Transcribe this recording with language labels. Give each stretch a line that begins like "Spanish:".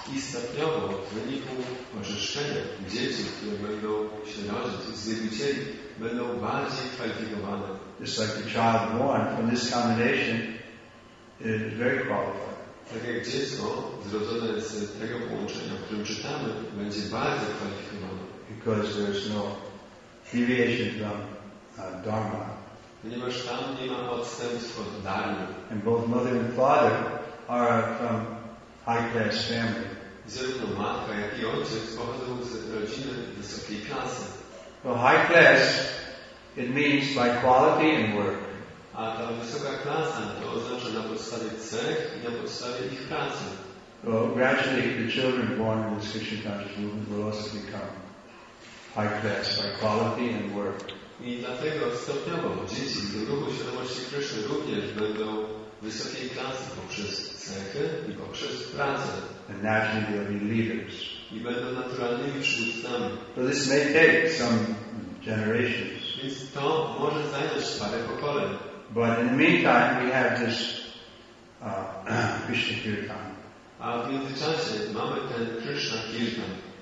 Polish: I stopniowo, w wyniku oczyszczenia, dzieci, które będą się rodzić z dziewicieli, będą bardziej kwalifikowane.
English: Just like the child born from this combination is very qualified.
Polish: Tak jak dziecko zrodzone z tego połączenia, o którym czytamy, będzie bardzo kwalifikowane.
English: Because there is no deviation from dharma.
Polish: Ponieważ tam nie ma odstępstw od dharmy.
English: And both mother and father are from high class family.
Polish: Zarówno matka, jak i ojciec pochodzą z rodziny wysokiej klasy.
English: Well, high class, it means by quality and work.
Polish: A ta wysoka klasa to oznacza na podstawie cech i na podstawie ich pracy.
English: Well, gradually the children born in this Krishna conscious movement will also become high class by quality and work.
Polish: I dlatego stopniowo dzieci w ruchu świadomości Krishna również będą wysokiej klasy poprzez cechy i poprzez pracę.
English: And naturally they'll be leaders.
Polish: I będą naturalnymi przywódcami.
English: So this may take some generations.
Polish: Więc to może zająć parę pokoleń.
English: But in the meantime, we have this Krishna Kirtan.
Polish: A w międzyczasie mamy ten Krishna Kirtan.